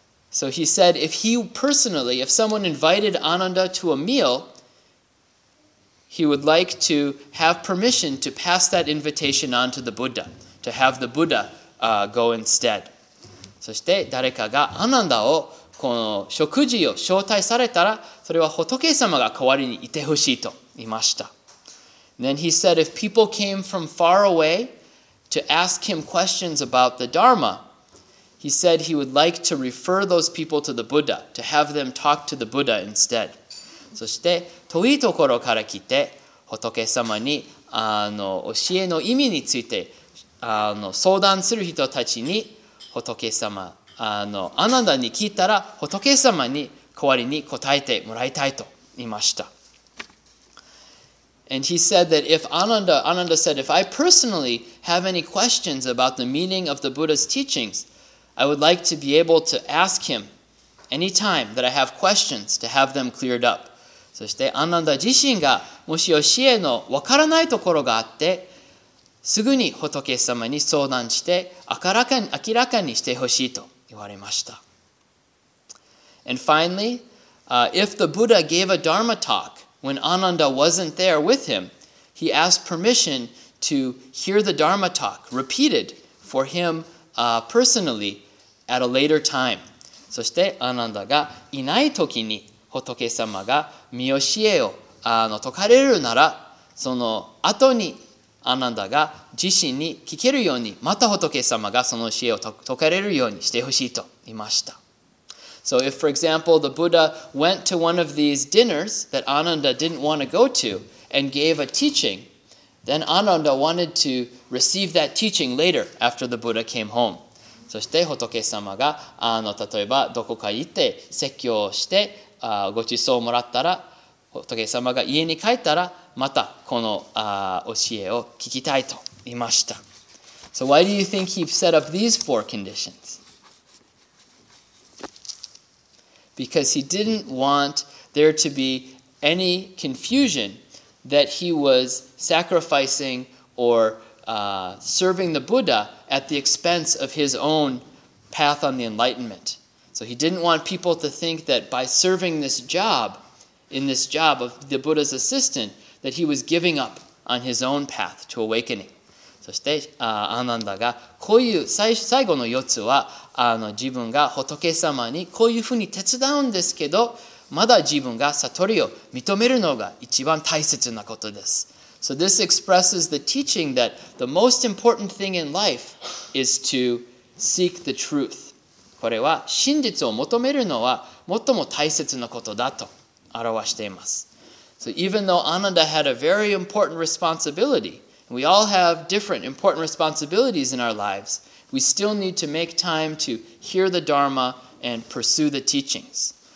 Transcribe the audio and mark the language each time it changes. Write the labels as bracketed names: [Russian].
[English] So he said, if he personally, if someone invited Ananda to a meal, he would like to have permission to pass that invitation on to the Buddha, to have the Buddha go instead. [Japanese] そして誰かがアナンダをこの食事を招待されたら、それは仏様が代わりにいてほしいと言いました。 [English] Then he said, if people came from far away to ask him questions about the Dharma,He said he would like to refer those people to the Buddha, to have them talk to the Buddha instead. [Japanese] そして遠いところから来て仏様に教えの意味について相談する人たちに、仏様アナンダに聞いたら、仏様に代わりに答えてもらいたいと言いました。 [English] And he said that if Ananda said, if I personally have any questions about the meaning of the Buddha's teachings,I would like to be able to ask him anytime that I have questions to have them cleared up. [Japanese] そしてアナンダ自身がもし教えのわからないところがあって、すぐに仏様に相談して明らかにしてほしいと言われました。 [English] And finally, if the Buddha gave a Dharma talk when Ananda wasn't there with him, he asked permission to hear the Dharma talk repeated for himpersonally, at a later time. [Japanese] そしてアナンダがいないときに仏様が身教えを説かれるなら、その後にアナンダが自身に聞けるように、また仏様がその教えを説かれるようにしてほしいと言いました。 [English] So if, for example, the Buddha went to one of these dinners that Ananda didn't want to go to and gave a teaching,Then Ananda wanted to receive that teaching later after the Buddha came home. [Japanese] そして仏様が例えばどこか行って説教をしてごちそうをもらったら、仏様が家に帰ったらまたこの教えを聞きたいと言いました。 [English] So why do you think he set up these four conditions? Because he didn't want there to be any confusionthat he was sacrificing or serving the Buddha at the expense of his own path on the enlightenment. So he didn't want people to think that by serving this job, in this job of the Buddha's assistant, that he was giving up on his own path to awakening. [Japanese] そして、アナンダがこういう最後の四つは、自分が仏様にこういうふうに手伝うんですけど、まだ自分が悟りを認めるのが一番大切なことです。 [English] So this expresses the teaching that the most important thing in life is to seek the truth. [Japanese] これは真実を求めるのは最も大切なことだと表しています。 [English] So even though Ananda had a very important responsibility, we all have different important responsibilities in our lives, we still need to make time to hear the Dharma and pursue the teachings.